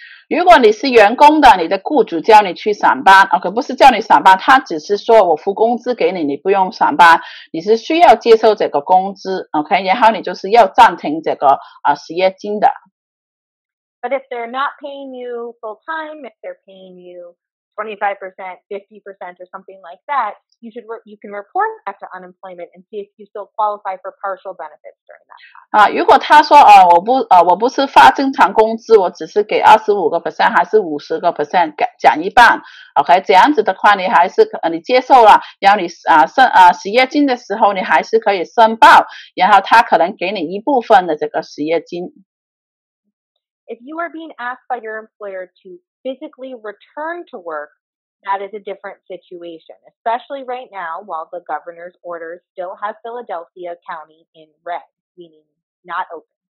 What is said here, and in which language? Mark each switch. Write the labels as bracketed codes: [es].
[zh] 如果你是员工的你的雇主叫你去上班 OK 不是叫你上班他只是说我付工资给你你不用上班你是需要接受这个工资 OK 然后你就是要暂停这个失业金的 [en] But if they're not paying you full time, if they're paying you 25%, 50%, or something like that, you should you can report that to unemployment and see if you still qualify for partial benefits during that time. [zh] 如果他说我不是发正常工资，我只是给 25% 还是 50%， 讲一半 ，OK， 这样子的话，你还是你接受了，然后你失业金的时候，你还是可以申报，然后他可能给你一部分的这个失业金。 [en] If you are being asked by your employer to physically return to work, that is a different situation, especially right now while the governor's orders still have Philadelphia County in red, meaning not open.